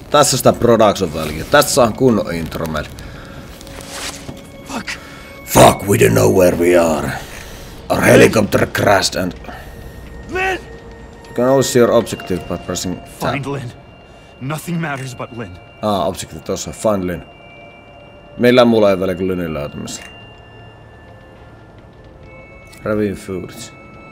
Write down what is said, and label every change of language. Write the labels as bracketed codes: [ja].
[fi] Tässä sitä production väliä. Tässä on kunnon intro meille. [en] Fuck. Fuck, we don't know where we are. Our helicopter crashed and... Lynn! You can always see your objective by pressing... Find Lynn. Nothing matters but Lynn. Ah, objective tossa. Find Lynn. [fi] Millään mulla ei väliä kuin Lynnin löytämisellä. [en] Reviewing footage.